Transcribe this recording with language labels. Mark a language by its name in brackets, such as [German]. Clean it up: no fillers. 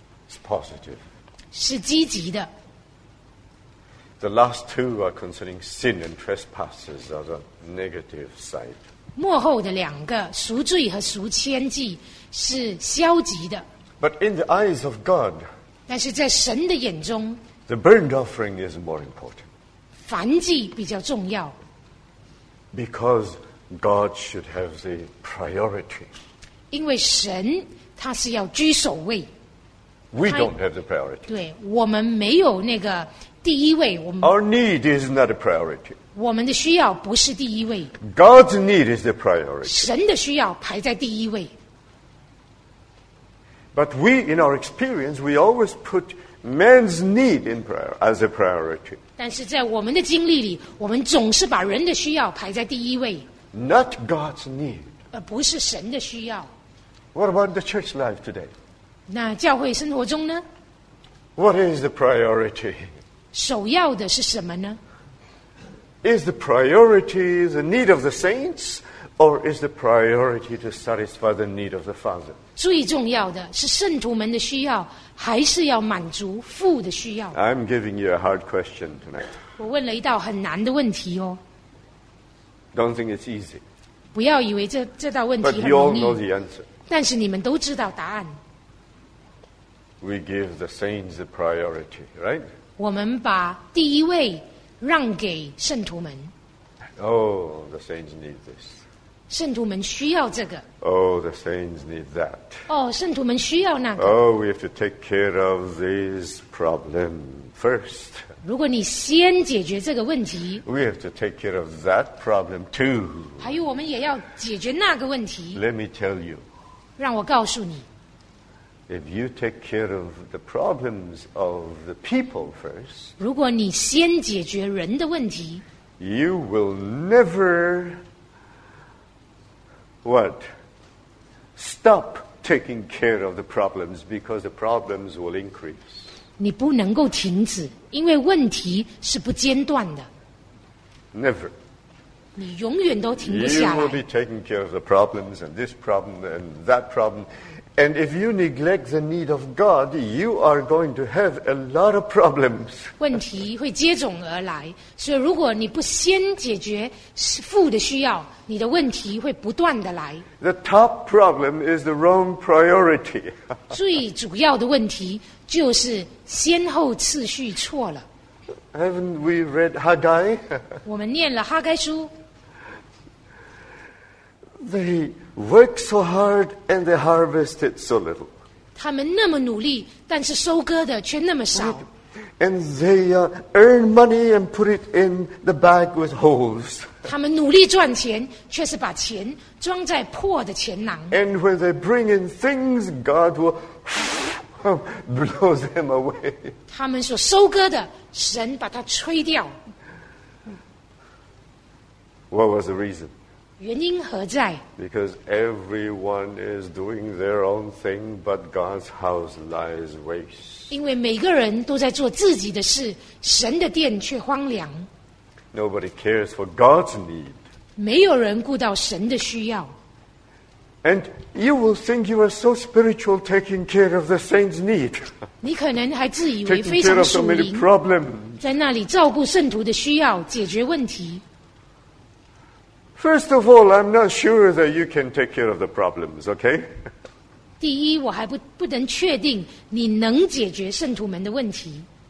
[English] It's positive. [Chinese] 是积极的。 [English] The last two are concerning sin and trespasses on the negative side. [Chinese] 末后的两个赎罪和赎愆祭是消极的。 [English] But in the eyes of God, [Chinese] 但是在神的眼中 [English] the burnt offering is more important. [Chinese] 燔祭比较重要。 [English] Because God should have the priority. [Chinese] 因为神他是要居首位。 [English] We don't have the priority. [Chinese] 对，我们没有那个。第一位，我们。 [English] Our need is not a priority. [Chinese] 我们的需要不是第一位。 [English] God's need is the priority. [Chinese] 神的需要排在第一位。 [English] But we, in our experience, we always put man's need in prayer as a priority. [Chinese] 但是在我们的经历里，我们总是把人的需要排在第一位。 [English] Not God's need. [Chinese] 而不是神的需要。 [English] What about the church life today? [Chinese] 那教会生活中呢？ [English] What is the priority? [Chinese] 首要的是什么呢？ [English] Is the priority the need of the saints, or is the priority to satisfy the need of the Father? [Chinese] 最重要的是圣徒们的需要，还是要满足父的需要？ [English] I'm giving you a hard question tonight. [Chinese] 我问了一道很难的问题哦。 [English] Don't think it's easy. [Chinese] 不要以为这道问题很容易。 [English] But you all know the answer. [Chinese] 但是你们都知道答案。 [English] We give the saints the priority, right? [Chinese] 我们把第一位让给圣徒们。 [English] Oh, the saints need this. [Chinese] 圣徒们需要这个。 [English] Oh, the saints need that. [Chinese] 哦，圣徒们需要那个。 [English] Oh, we have to take care of this problem first. [Chinese] 如果你先解决这个问题。 [English] We have to take care of that problem too. [Chinese] 还有，我们也要解决那个问题。 [English] Let me tell you. [Chinese] 让我告诉你。 [English] If you take care of the problems of the people first, [Chinese] 如果你先解决人的问题， [English] you will never what? Stop taking care of the problems because the problems will increase. [Chinese] 你不能够停止，因为问题是不间断的。 [English] Never. [Chinese] 你永远都停不下来。 [English] You will be taking care of the problems and this problem and that problem. And if you neglect the need of God, you are going to have a lot of problems. [Chinese] 问题会接踵而来，所以如果你不先解决父的需要，你的问题会不断的来。 [English] The top problem is the wrong priority. [Chinese] 最主要的问题就是先后次序错了。 [English] Haven't we read Haggai? [Chinese] 我们念了哈该书。 [English] They work so hard and they harvested so little. [Chinese] 他们那么努力，但是收割的却那么少。 [English] And they earn money and put it in the bag with holes. [Chinese] 他们努力赚钱，却是把钱装在破的钱囊。 [English] And when they bring in things, God will blow them away. [Chinese] 他们所收割的，神把它吹掉。 [English] What was the reason? [Chinese] 原因何在? [English] Because everyone is doing their own thing, but God's house lies waste. [Chinese] 因为每个人都在做自己的事，神的殿却荒凉。 [English] Nobody cares for God's need. [Chinese] 没有人顾到神的需要。 [English] And you will think you are so spiritual taking care of the saints' need. [Chinese] 你可能还自以为非常属灵，在那里照顾圣徒的需要，解决问题。 [English] First of all, I'm not sure that you can take care of the problems, okay? [Chinese] 第一，我还不能确定你能解决圣徒们的问题。